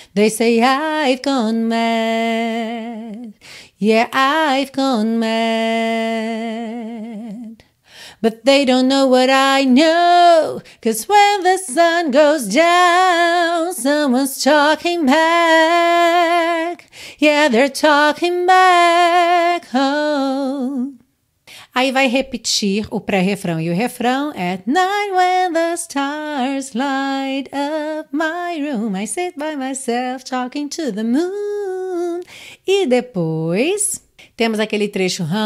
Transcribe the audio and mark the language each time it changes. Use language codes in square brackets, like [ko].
[en] They say I've gone mad, yeah, I've gone mad. But they don't know what I know, 'cause when the sun goes down, someone's talking back, yeah, they're talking back home. [pt] Aí vai repetir o pré-refrão e o refrão. [en] At night when the stars light up my room, I sit by myself talking to the moon. [pt] E depois temos aquele trecho.